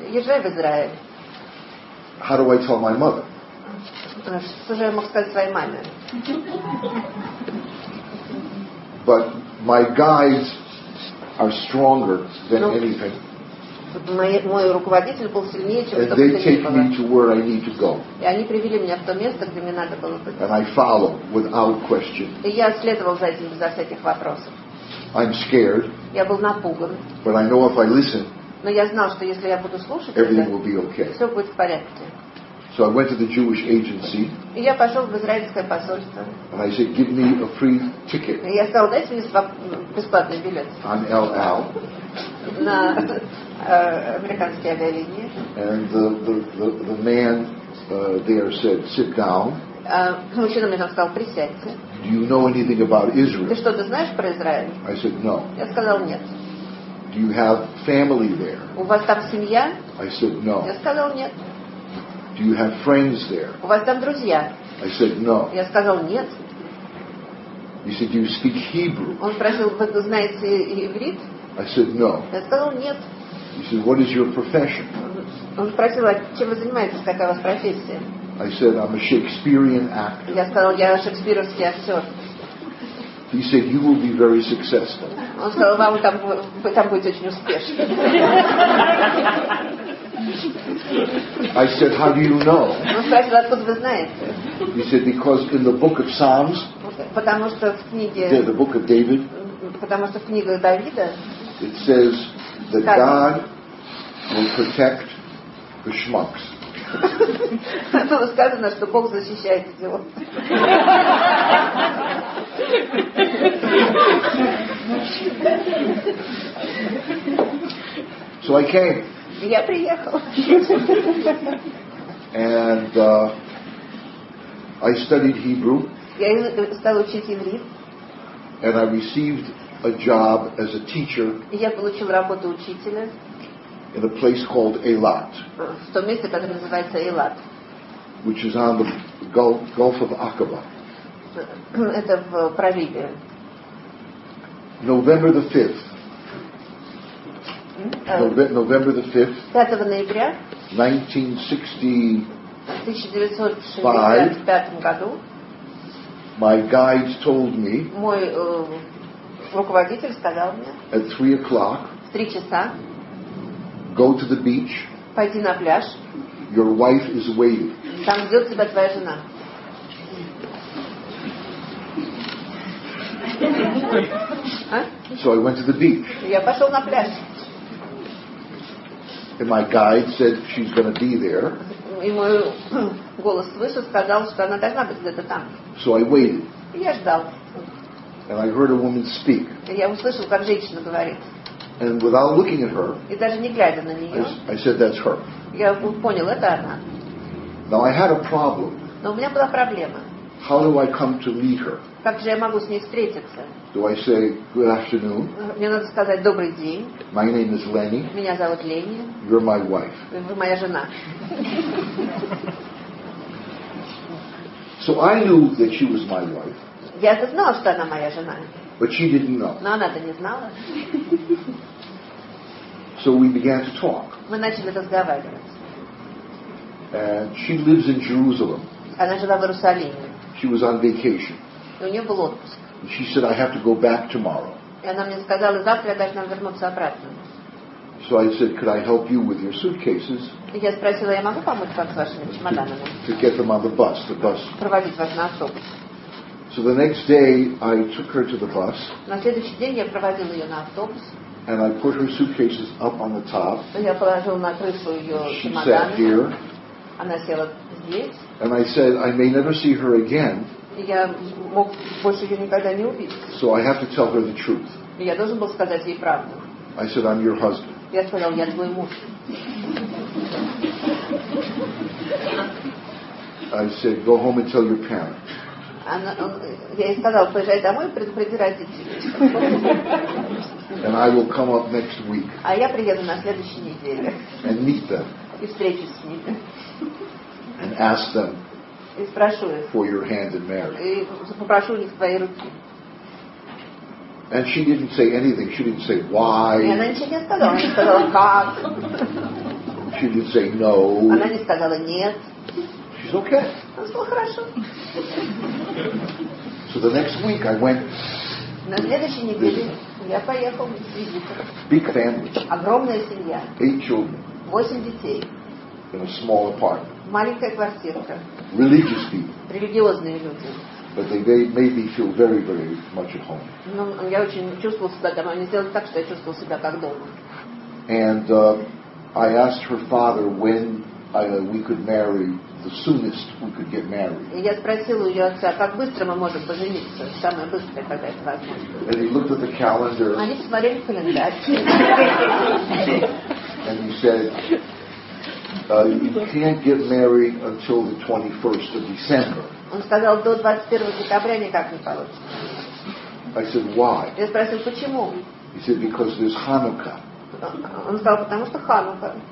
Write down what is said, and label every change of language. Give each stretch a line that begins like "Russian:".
Russian: Езжай в Израиль.
English: How do I tell my mother?
Russian: Что же я мог сказать своей маме?
English: But my guides are stronger than anything.
Russian: Мой руководитель был сильнее, чем
English: And they take me to where I need to go.
Russian: И они привели меня в то место, где мне надо было быть.
English: And I follow without question.
Russian: И я следовал за этим безо всяких вопросов.
English: I'm scared.
Russian: Я был напуган.
English: But I know if I listen.
Russian: Но я знал, что если я буду слушать,
English: everything will be okay.
Russian: Все будет в порядке.
English: So I went to the Jewish agency.
Russian: И я пошел в израильское посольство.
English: And I said, give me a free ticket.
Russian: И я сказал, дайте мне бесплатный билет.
English: On LL.
Russian: На американские авиалинии.
English: And the man there said, sit down.
Russian: Мужчина мне там сказал, присядьте.
English: Do you know anything about Israel?
Russian: Ты что-то знаешь про Израиль?
English: I said, no.
Russian: Я сказал, нет.
English: Do you have family there?
Russian: У вас там семья?
English: I said, no.
Russian: Я сказал, нет.
English: Do you have friends there?
Russian: У вас там друзья?
English: I said no.
Russian: Я сказал нет.
English: He said, do you speak Hebrew?
Russian: Он спросил, вы знаете иврит?
English: I said no.
Russian: Я сказал нет.
English: He said, what is your profession?
Russian: Он спросил, а чем вы занимаетесь, какая у вас профессия?
English: I said, I'm a Shakespearean actor.
Russian: Я сказал, я шекспировский актер.
English: He said, you will be very successful.
Russian: Он сказал, вам там, вы там будете очень успешны.
English: I said, how do you know?
Russian: Он спросил, откуда вы знаете?
English: He said, because in the book of Psalms,
Russian: потому что в книге,
English: yeah, the book of David,
Russian: потому что в книгах Давида,
English: it says that
Russian: как?
English: God will protect the schmucks.
Russian: Было сказано, что Бог защищает идиотов.
English: So I came.
Russian: Я приехал.
English: And I studied Hebrew.
Russian: Я стал учить иврит.
English: And I received a job as a teacher.
Russian: Я получил работу учителя.
English: In a place called Eilat.
Russian: В том месте, которое называется Эйлат.
English: Which is on the Gulf of Aqaba.
Russian: Это в проливе.
English: November the 5th. November the 5th,
Russian: 5 ноября,
English: 1965, my guides told me,
Russian: мой руководитель сказал мне,
English: at 3 o'clock,
Russian: в 3 часа,
English: go to the beach,
Russian: пойди на пляж,
English: your wife is waiting,
Russian: там ждет тебя твоя жена.
English: So I went to the beach.
Russian: Я пошел на пляж.
English: And my guide said she's going to be there.
Russian: И мой голос выше сказал, что она должна быть где-то там.
English: So I waited.
Russian: Я ждал.
English: And I heard a woman speak.
Russian: Я услышал, как женщина говорит.
English: And without looking at her,
Russian: и даже не глядя на нее,
English: I said, that's her.
Russian: Я понял, это она.
English: Now I had a problem.
Russian: Но у меня была проблема.
English: How do I come to meet her?
Russian: Как же я могу с ней встретиться?
English: Do I say, good afternoon?
Russian: Мне надо сказать, добрый день.
English: My name is Lenny.
Russian: Меня зовут Ленни.
English: You're my wife.
Russian: Вы моя жена.
English: So I knew that she was my wife.
Russian: Я знала, что она моя жена.
English: But she didn't know.
Russian: Но она-то не знала.
English: So we began to talk.
Russian: Мы начали разговаривать.
English: And she lives in Jerusalem.
Russian: Она жила в Иерусалиме.
English: She was on vacation.
Russian: И у нее был отпуск.
English: And she said, I have to go back tomorrow.
Russian: И она мне сказала, завтра я должна вернуться обратно.
English: So I said, could I help you with your suitcases?
Russian: И я спросила, я могу помочь вам с вашими чемоданами?
English: To get them on the bus.
Russian: Проводить вас на автобус.
English: So the next day, I took her to the bus.
Russian: На следующий день я проводил ее на автобус.
English: And I put her suitcases up on the top.
Russian: Я положил на крышу ее чемоданы.
English: She sat here.
Russian: Она села здесь.
English: And I said, I may never see her again.
Russian: Я мог больше ее никогда не увидеть.
English: So I have to tell her the truth.
Russian: Я должен был сказать ей правду.
English: I said, I'm your husband.
Russian: Я сказал, я твой муж.
English: I said, go home and tell your parents.
Russian: Я ей сказал, поезжай домой и предупреди родителей. А я приеду на следующей неделе.
English: And meet them.
Russian: И встречусь с ними.
English: And ask them.
Russian: И спрошу их.
English: For your hand in marriage.
Russian: И попрошу у них твои руки.
English: And she didn't say anything. She didn't say why.
Russian: И она ничего не сказала. Она не сказала как.
English: She didn't say no.
Russian: Она не сказала нет.
English: Okay. So the next week I went.
Russian: На следующей неделе я поехал с визитом.
English: Big family.
Russian: Огромная семья.
English: Eight children.
Russian: Восемь детей.
English: In a small apartment.
Russian: Маленькая квартирка.
English: Religious people.
Russian: Религиозные люди.
English: But they made me feel very, very much at home.
Russian: Ну, я очень чувствовал себя дома. Они сделали так, что я чувствовал себя как дома.
English: And I asked her father when we could marry. The soonest we could get married.
Russian: Я спросил у ее отца, как быстро мы можем пожениться, самое быстрое, когда это возможно.
English: And he looked at the calendar.
Russian: Они посмотрели календарь.
English: And he said, you can't get married until the 21st of December.
Russian: Он сказал, до 21 декабря никак не получится.
English: I said, why?
Russian: Я спросил, почему?
English: He said, because there's Ханука.
Russian: Он сказал, потому что Ханука.